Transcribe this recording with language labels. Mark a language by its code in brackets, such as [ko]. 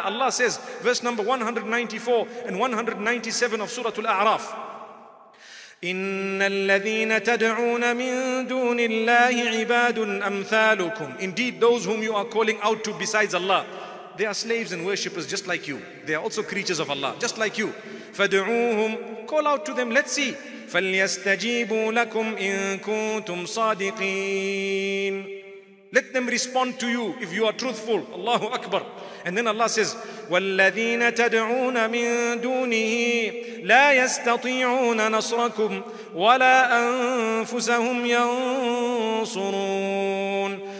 [en] Allah says, verse number 194 and 197 of Surah Al-A'raf, [ar] إن الذين تدعون من دون الله عباد أمثالكم. [en] Indeed, those whom you are calling out to besides Allah, they are slaves and worshippers just like you. They are also creatures of Allah, just like you. [ar] فدعوهم, [en] call out to them, let's see. [ar] فليستجيبوا لكم إن كنتم صادقين. [en] Let them respond to you if you are truthful. [ar] Allahu Akbar. [en] And then Allah says, [ar] وَالَّذِينَ تَدْعُونَ مِن دُونِهِ لَا يَسْتَطِيعُونَ نَصْرَكُمْ وَلَا أَنفُسَهُمْ يَنصُرُونَ.